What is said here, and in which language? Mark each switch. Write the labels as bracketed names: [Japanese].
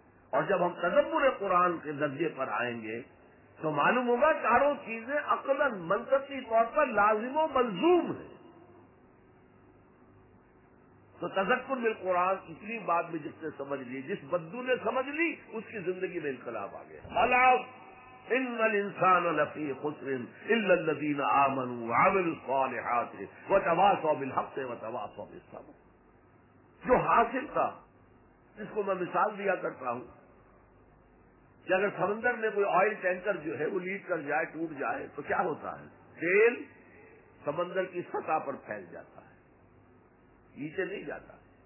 [Urdu] اور جب ہم تذکر قرآن کے درجے پر آئیں گے تو معلوم ہوگا چاروں چیزیں عقلاً منطقی طور پر لازم و ملزوم ہیں. تو تذکر بالقرآن اتنی بات میں جس نے سمجھ لی, جس بدو نے سمجھ لی اس کی زندگی میں انقلاب آ گیا. [Arabic] ان الانسان لفی خسر الا الذين امنوا وعملوا الصالحات وتواصوا بالحق وتواصوا بالصبر. [Urdu] جو حاصل تھا, جس کو میں مثال دیا کرتا ہوں کہ اگر سمندر میں کوئی آئل ٹینکر جو ہے وہ لیٹ کر جائے, ٹوٹ جائے, تو کیا ہوتا ہے؟ تیل سمندر کی سطح پر پھیل جاتا ہے, نیچے نہیں جاتا.